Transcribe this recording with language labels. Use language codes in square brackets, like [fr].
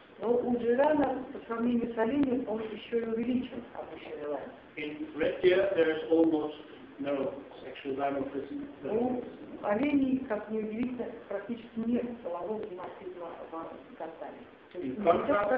[ru] Но у Jirana, по сравнению с оленем, он еще и увеличен обычный ларинг. [en] In red deer, there is almost no sexual dimorphism. [ru] У оленей, как ни удивительно, практически нет полового диморфизма в гортане.